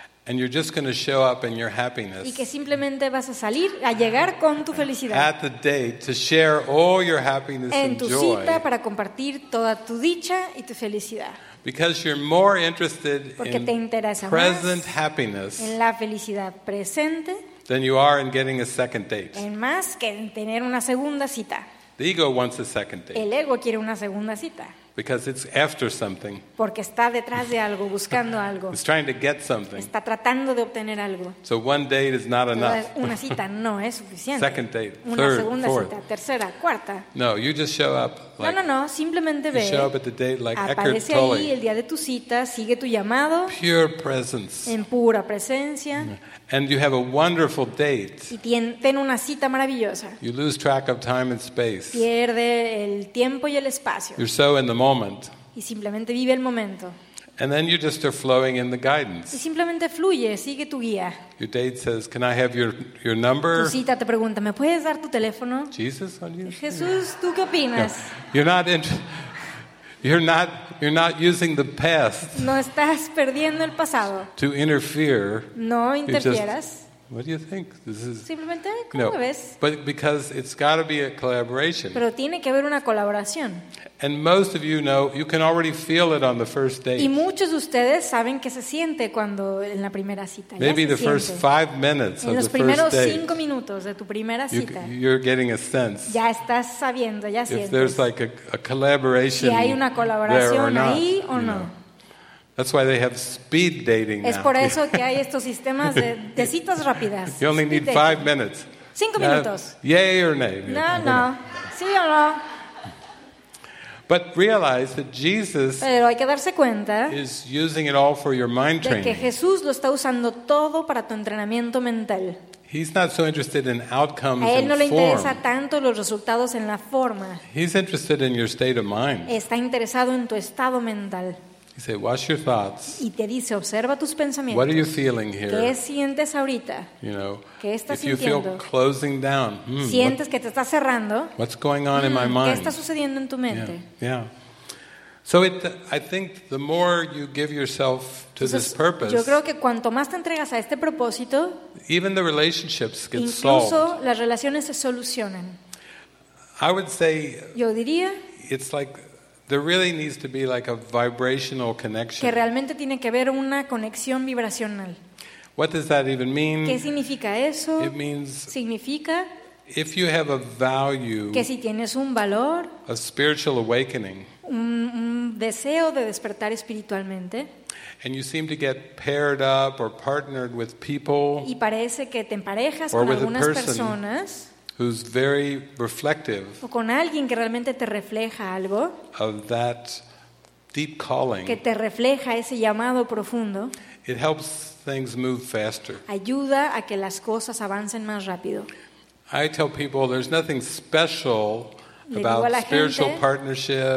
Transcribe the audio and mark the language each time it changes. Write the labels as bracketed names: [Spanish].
[English] And you're just going to show up in your happiness. [Spanish] Y que simplemente vas a salir a llegar con tu felicidad. [English] At the date to share all your happiness and [Spanish] En tu cita para compartir toda tu dicha y tu felicidad. [English] Because you're more interested in present happiness [Spanish] en la felicidad presente [English] than you are in getting a second date. [Spanish] En más que en tener una segunda cita. [English] The ego wants a second date. [Spanish] El ego quiere una segunda cita. [English] Because it's after something. [Spanish] Porque está detrás de algo, buscando algo. [English] It's trying to get something. [Spanish] Está tratando de obtener algo. [English] So one date is not enough. [Spanish] Una cita no es suficiente. [English] Second date, [Spanish] una [English] third, [Spanish] segunda [English] fourth. [Spanish] Cita, tercera, cuarta. [English] No, you just show up. Like, [Spanish] no, simplemente ve. [English] You show up at the date like Eckhart Tolle. [Spanish] Aparece ahí el día de tu cita, sigue tu llamado. [English] Pure presence. [Spanish] En pura presencia. [English] And you have a wonderful date. [Spanish] Y ten una cita maravillosa. [English] You lose track of time and space. [Spanish] Pierde el tiempo y el espacio. [English] You're so in the moment. [Spanish] Y simplemente vive el momento. [English] And then you just are flowing in the guidance. [Spanish] Y simplemente fluye, sigue tu guía. [English] Your date says, "Can I have your number?" [Spanish] Tu cita te pregunta, "¿Me puedes dar tu teléfono?" [English] Jesus, on you. [Spanish] Jesús, ¿tú qué opinas? [English] No. You're not using the past. [Spanish] No estás perdiendo el pasado. [English] To interfere. [Spanish] No interfieras. [English] What do you think? This is [Spanish] simplemente cómo no. ves. [English] But because it's got to be a collaboration. [Spanish] Pero tiene que haber una colaboración. [English] And most of you know you can already feel it on the first date. [Spanish] Y muchos de ustedes saben que se siente cuando en la primera cita. [English] Maybe the first 5 minutes of the first date. [Spanish] En los primeros 5 minutos de tu primera cita. [English] You're getting a sense. [Spanish] Ya estás sabiendo, ya sientes. [English] If there's like a collaboration. [Spanish] Si hay una colaboración ahí o no. [English] That's why they have speed dating now. [Spanish] Es por eso que hay estos sistemas de citas rápidas. [English] You only need 5 minutes. [Spanish] 5 minutos. [English] Yay or nay. [Spanish] No. Sí o no. [English] But realize that Jesus [Spanish] Pero hay que darse cuenta [English] is using it all for your mind training. [Spanish] De que Jesús lo está usando todo para tu entrenamiento mental. [English] He's not so interested in outcomes [Spanish] A él no [English] and [Spanish] le interesa [English] form. [Spanish] Tanto los resultados en la forma. [English] He's interested in your state of mind. [Spanish] Está interesado en tu estado mental. [English] He said, "Watch your thoughts." [Spanish] Y te dice, observa tus pensamientos. [English] What are you feeling here? [Spanish] ¿Qué sientes ahorita? [English] You know, [Spanish] ¿qué estás sintiendo? [English] If you feel closing down, [Spanish] sientes que te estás cerrando. [English] What's going on in my mind? [Spanish] ¿Qué está sucediendo en tu mente? [English] Yeah. Yeah. So it, I think the more you give yourself to [Spanish] Entonces, [English] this purpose, [Spanish] yo creo que cuanto más te entregas a este propósito, [English] even the relationships get [Spanish] incluso [English] solved. [Spanish] Incluso las relaciones se solucionan. [English] I would say, [Spanish] yo diría, [English] it's like there really needs to be like a vibrational connection. [Spanish] Que realmente tiene que haber una conexión vibracional. [English] What does that even mean? [Spanish] ¿Qué significa eso? [English] It means [Spanish] significa [English] if you have a value, [Spanish] que si tienes un valor, [English] a spiritual awakening. [Spanish] Un deseo de despertar espiritualmente. [English] And you seem to get paired up or partnered with people. [Spanish] Y parece que te emparejas con algunas personas. [English] Who's very reflective. [Spanish] O con alguien que realmente te refleja algo. [English] Of that deep calling. [Spanish] Que te refleja ese llamado profundo. [English] It helps things move faster. [Spanish] Ayuda a que las cosas avancen más rápido. [English] I tell people there's nothing special about spiritual partnerships,